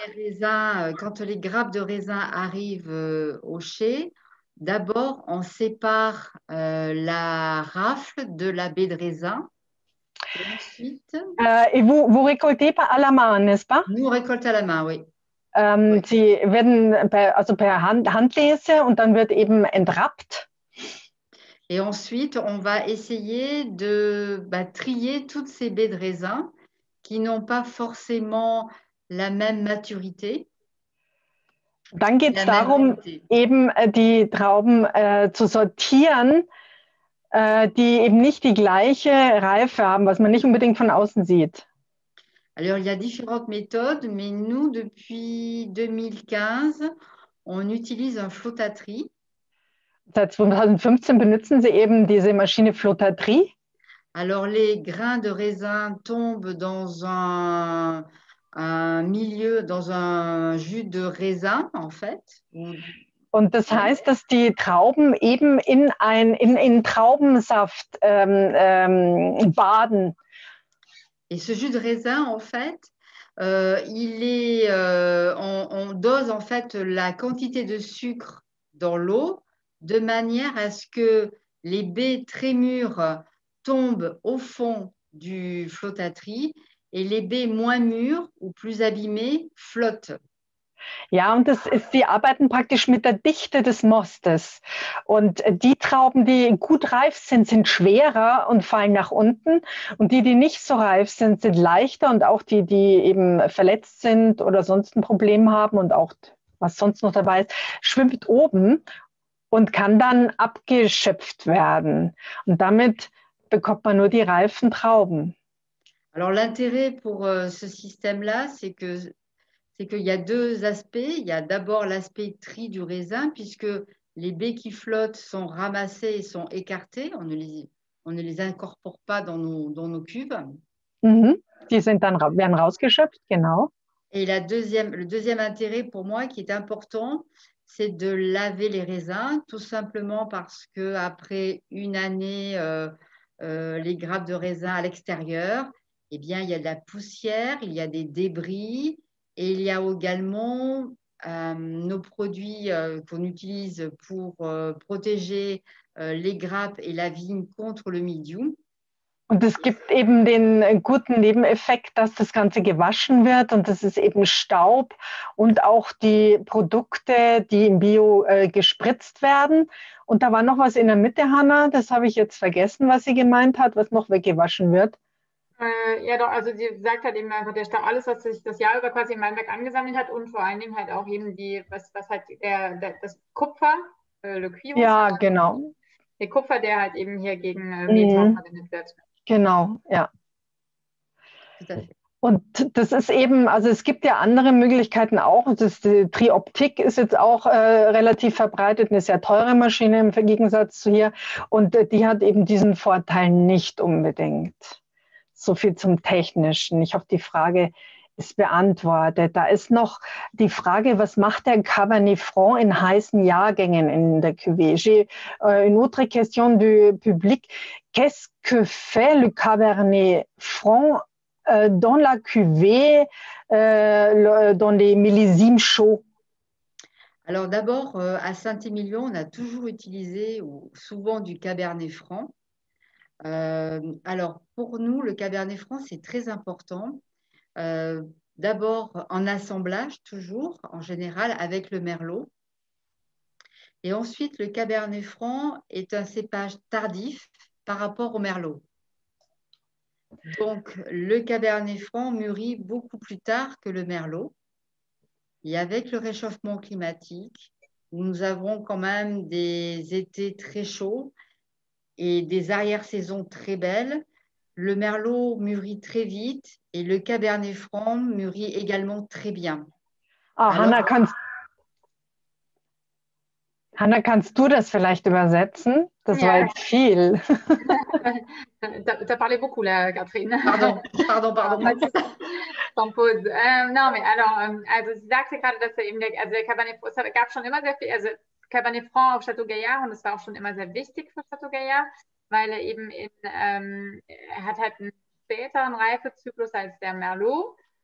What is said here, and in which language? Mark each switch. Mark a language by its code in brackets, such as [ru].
[fr] quand les grappes de raisin arrivent au chai, d'abord, on sépare la rafle de la baie de raisin. Et ensuite, Et vous récoltez pas à la main, n'est-ce pas? nous, on récolte à la main, oui. [de] Sie werden also per Handlese und dann wird eben entrappt. [fr] Et ensuite, on va essayer de trier toutes ces baies de raisin qui n'ont pas forcément la même maturité, [de] Dann geht [fr] la [de] es darum, [fr] beauté. [de] eben die Trauben zu sortieren, die eben nicht die gleiche Reife haben, was man nicht unbedingt von außen sieht. [fr] Alors, il y a différentes méthodes, mais nous, depuis 2015, on utilise un flottatri. [de] Seit 2015 benutzen Sie eben diese Maschine Flottatri. [fr] Alors, les grains de raisin tombent dans un milieu, dans un jus de raisin, en fait. [de] Und das heißt, dass die Trauben eben in Traubensaft baden. Et ce jus de raisin, en fait, on dose en fait la quantité de sucre dans l'eau de manière à ce que les baies très mûres tombent au fond du flottatri et les baies moins mûres ou plus abîmées flottent. Ja, und das ist, sie arbeiten praktisch mit der Dichte des Mostes. Und die Trauben, die gut reif sind, sind schwerer und fallen nach unten. Und die, die nicht so reif sind, sind leichter. Und auch die, die eben verletzt sind oder sonst ein Problem haben und auch was sonst noch dabei ist, schwimmt oben und kann dann abgeschöpft werden. Und damit bekommt man nur die reifen Trauben. [fr] Alors l'intérêt pour ce système-là, c'est qu'il y a deux aspects. Il y a d'abord l'aspect tri du raisin, puisque les baies qui flottent sont ramassées et sont écartées. On ne les incorpore pas dans nos cuves. [de] Die sind dann rausgeschöpft, genau. [fr] Et le deuxième intérêt pour moi qui est important, c'est de laver les raisins, tout simplement parce qu'après une année, les grappes de raisin à l'extérieur, eh bien, il y a de la poussière, il y a des débris et il y a également nos produits qu'on utilise pour protéger les grappes et la vigne contre le mildiou. [de] Und es gibt eben den guten Nebeneffekt, dass das Ganze gewaschen wird und das ist eben Staub und auch die Produkte, die im Bio gespritzt werden. Und da war noch was in der Mitte, Hanna, das habe ich jetzt vergessen, was sie gemeint hat, was noch weggewaschen wird. Ja, doch, also sie sagt halt eben einfach, der Staub, alles, was sich das Jahr über quasi in Malmberg angesammelt hat und vor allen Dingen halt auch eben was halt das Kupfer, Le Cuivre, Ja, genau. der Kupfer, der halt eben hier gegen Metall verwendet wird. Genau, ja. Tut das. Und das ist eben, also es gibt ja andere Möglichkeiten auch. Die Trioptik ist jetzt auch relativ verbreitet, eine sehr teure Maschine im Gegensatz zu hier. Und die hat eben diesen Vorteil nicht unbedingt. So viel zum Technischen. Ich hoffe, die Frage ist beantwortet. Da ist noch die Frage, was macht der Cabernet Franc in heißen Jahrgängen in der Cuvée? [fr] Une autre question du public. Qu'est-ce que fait le Cabernet Franc dans la cuvée, dans les millésimes chauds? Alors d'abord, à Saint-Émilion, on a toujours utilisé ou souvent du Cabernet Franc. Alors pour nous, le Cabernet Franc, c'est très important. D'abord en assemblage, toujours, en général, avec le Merlot. Et ensuite, le Cabernet Franc est un cépage tardif par rapport au Merlot. Donc le Cabernet Franc mûrit beaucoup plus tard que le Merlot. Et avec le réchauffement climatique, où nous avons quand même des étés très chauds et des arrière-saisons très belles, le Merlot mûrit très vite et le Cabernet Franc mûrit également très bien. Ah, Alors, [de] Hanna, kannst du das vielleicht übersetzen? Das war ja. jetzt viel. [fr] T'as parlé beaucoup là, Catherine. Pardon, pardon, pardon. [de] Non, mais alors, sie sagte gerade, dass er eben, also der Cabernet, es gab schon immer sehr viel, also Cabernet Franc auf Château Gaillard und es war auch schon immer sehr wichtig für Château Gaillard. weil er eben in, er hat halt einen späteren Reifezyklus als der Merlot.